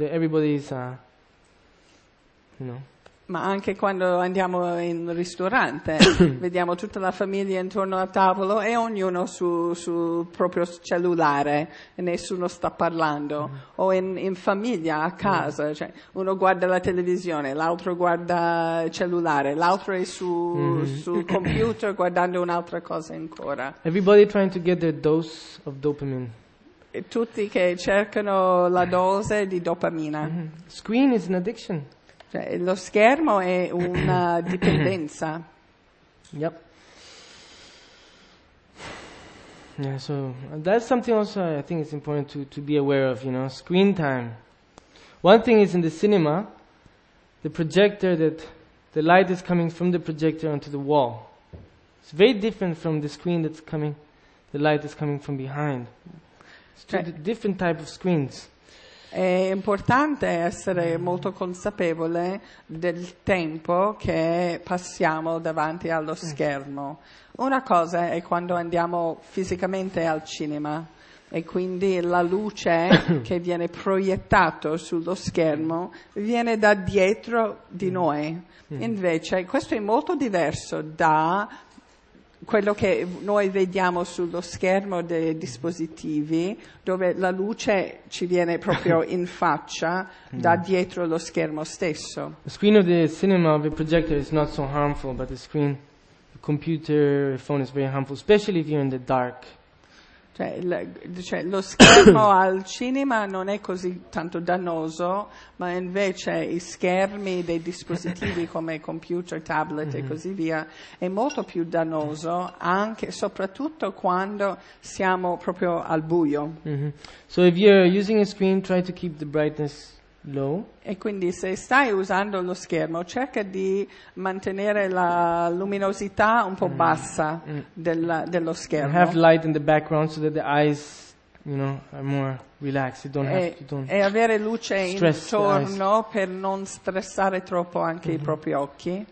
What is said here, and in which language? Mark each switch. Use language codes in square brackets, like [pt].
[en] Everybody's, [it] Ma anche quando andiamo in ristorante, vediamo tutta la famiglia intorno al tavolo e ognuno sul proprio cellulare, e nessuno sta parlando. O in famiglia, a casa, cioè uno guarda la televisione, l'altro guarda il cellulare, l'altro è sul computer guardando un'altra cosa ancora. [en] Everybody trying to get their dose of dopamine. [it] E tutti che cercano la dose di dopamina. [en] Screen is an addiction. [it] Cioè, lo schermo è una dipendenza. [en] Yep. Yeah, so that's something also I think it's important to be aware of, you know, screen time. One thing is in the cinema, the projector, that the light is coming from the projector onto the wall. It's very different from the screen that's coming, the light is coming from behind. It's two different type of screens. [it] È importante essere molto consapevole del tempo che passiamo davanti allo schermo. Una cosa è quando andiamo fisicamente al cinema e quindi la luce che viene proiettata sullo schermo viene da dietro di noi. Invece questo è molto diverso da quello che noi vediamo sullo schermo dei dispositivi, dove la luce ci viene proprio in faccia da dietro lo schermo stesso. [en] The screen of the cinema of a projector is not so harmful, but the screen, the computer, the phone is very harmful, especially if you're in the dark. [it] Cioè lo schermo al cinema non è così tanto dannoso, ma invece i schermi dei dispositivi come computer, tablet e così via è molto più dannoso, anche soprattutto quando siamo proprio al buio. [en] So if you're using a screen, try to keep the brightness low. [it] E quindi se stai usando lo schermo, cerca di mantenere la luminosità un po' bassa dello schermo. [en] Have light in the background so that the eyes, you know, are more relaxed. You don't [it] e avere luce intorno per non stressare troppo anche i propri occhi.